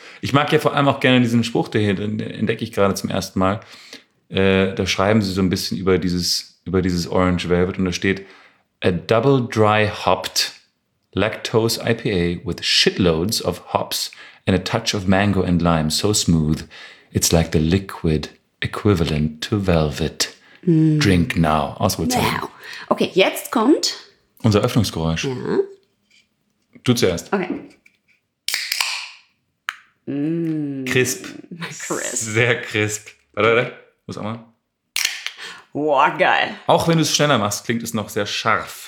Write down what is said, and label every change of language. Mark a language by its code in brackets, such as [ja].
[de] Ich mag ja vor allem auch gerne diesen Spruch, der hier, den entdecke ich gerade zum ersten Mal. Da schreiben sie so ein bisschen über dieses Orange Velvet und da steht: [en] A double dry hopped lactose IPA with shitloads of hops and a touch of mango and lime. So smooth, it's like the liquid equivalent to velvet. Drink now. Ausrufezeichen. [de] Now. Okay, jetzt kommt unser Öffnungsgeräusch. Ja. Du zuerst. Okay. Crisp. Sehr crisp. Warte. Muss auch mal. Boah, geil. Auch wenn du es schneller machst, klingt es noch sehr scharf.